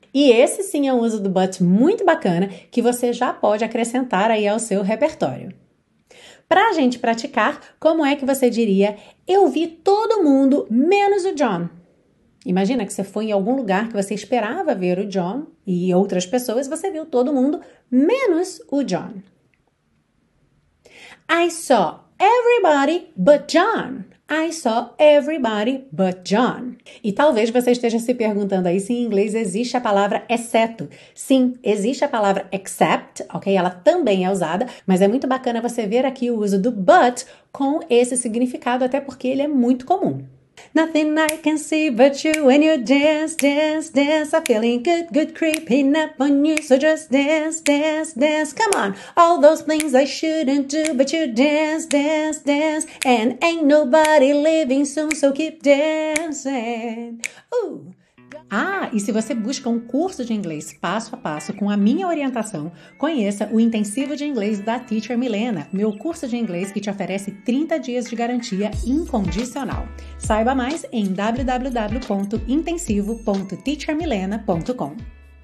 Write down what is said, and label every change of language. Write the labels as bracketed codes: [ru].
[pt] E esse sim é um uso do but muito bacana que você já pode acrescentar aí ao seu repertório. Para a gente praticar, como é que você diria, eu vi todo mundo menos o John? Imagina que você foi em algum lugar que você esperava ver o John e outras pessoas, você viu todo mundo menos o John. [en] I saw everybody but John. I saw everybody but John. [pt] E talvez você esteja se perguntando aí se em inglês existe a palavra exceto. Sim, existe a palavra except, ok? Ela também é usada, mas é muito bacana você ver aqui o uso do but com esse significado, até porque ele é muito comum. [en] Nothing I can see but you when you dance, dance, dance. I'm feeling good, good, creeping up on you. So just dance, dance, dance. Come on, all those things I shouldn't do, but you dance, dance, dance. And ain't nobody leaving soon, so keep dancing. [pt] Ah, e se você busca um curso de inglês passo a passo com a minha orientação, conheça o Intensivo de Inglês da Teacher Milena, meu curso de inglês que te oferece 30 dias de garantia incondicional. Saiba mais em www.intensivo.teachermilena.com.